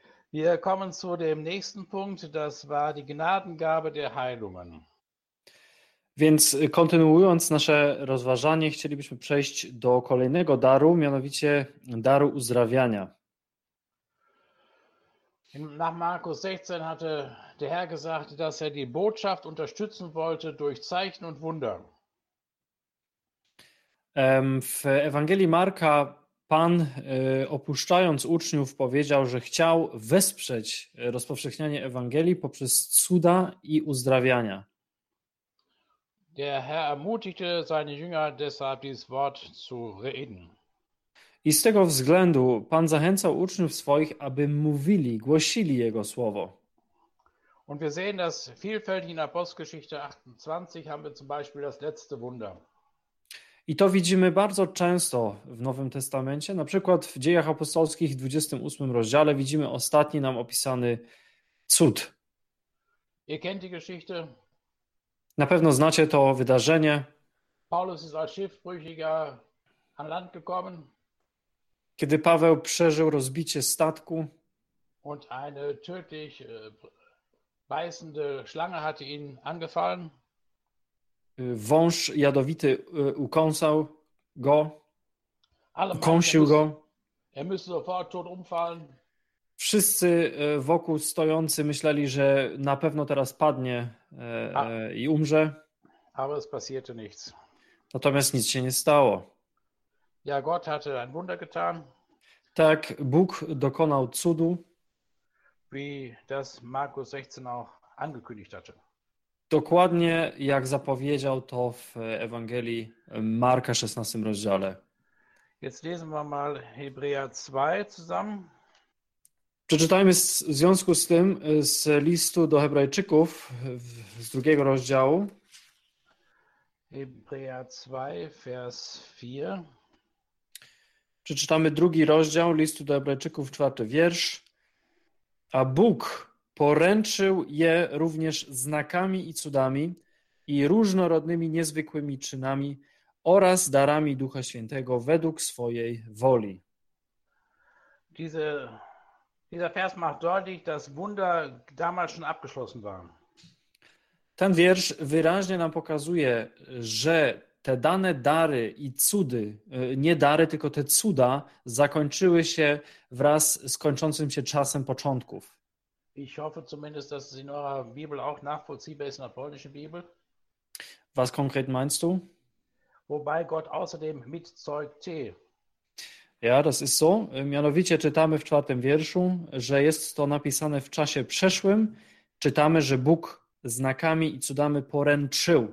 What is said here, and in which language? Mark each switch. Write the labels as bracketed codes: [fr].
[de] Wir kommen zu dem nächsten Punkt. Das war die Gnadengabe der Heilungen. [pl] Więc kontynuując nasze rozważanie, chcielibyśmy przejść do kolejnego daru, mianowicie daru uzdrawiania. [de] Nach Markus 16 hatte der Herr gesagt, dass er die Botschaft unterstützen wollte durch Zeichen und Wunder. [pl] W Ewangelii Marka Pan, opuszczając uczniów, powiedział, że chciał wesprzeć rozpowszechnianie Ewangelii poprzez cuda i uzdrawiania. [de] Der Herr ermutigte seine Jünger deshalb dieses Wort zu reden. [pl] I z tego względu Pan zachęcał uczniów swoich, aby mówili, głosili Jego słowo. [de] Und wir sehen das vielfältig in Apostelgeschichte 28 haben wir zum Beispiel das letzte Wunder. [pl] I to widzimy bardzo często w Nowym Testamencie, na przykład w Dziejach Apostolskich w 28 rozdziale widzimy ostatni nam opisany cud. [de] Ihr kennt die Geschichte. [pl] Na pewno znacie to wydarzenie. [de] Paulus ist als Schiffbrüchiger an Land gekommen. [pl] Kiedy Paweł przeżył rozbicie statku. [de] Und eine tödlich beißende Schlange hatte ihn angefallen. [pl] Wąż jadowity ukąsał go, [de] Alle [pl] ukąsił [de] meinen, [pl] go. [de] er müsse sofort tot umfallen. [pl] Wszyscy wokół stojący myśleli, że na pewno teraz padnie i umrze. [de] Aber es passierte nichts. [pl] Natomiast nic się nie stało. [de] Ja, Gott hatte ein Wunder getan. [pl] Tak, Bóg dokonał cudu. [de] Wie das Markus 16 auch angekündigt hatte. [pl] Dokładnie jak zapowiedział to w Ewangelii Marka 16 rozdziale. [de] Jetzt lesen wir mal Hebräer 2 zusammen. [pl] Przeczytajmy w związku z tym z listu do Hebrajczyków z drugiego rozdziału. [de] Hebräer 2, Vers 4. [pl] Przeczytamy drugi rozdział listu do Hebrajczyków, czwarty wiersz. A Bóg poręczył je również znakami i cudami i różnorodnymi, niezwykłymi czynami oraz darami Ducha Świętego według swojej woli. [de] Dieser Vers macht deutlich, dass Wunder damals schon abgeschlossen waren. [pl] Ten wiersz wyraźnie nam pokazuje, że te dane dary i cudy, nie dary, tylko te cuda, zakończyły się wraz z kończącym się czasem początków. [de] Ich hoffe zumindest, dass es in eurer Bibel auch nachvollziehbar ist, in der polnischen Bibel. Was konkret meinst du? Wobei Gott außerdem mitzeugte. Ja, das ist so. [pl] Mianowicie czytamy w czwartym wierszu, że jest to napisane w czasie przeszłym. Czytamy, że Bóg znakami i cudami poręczył.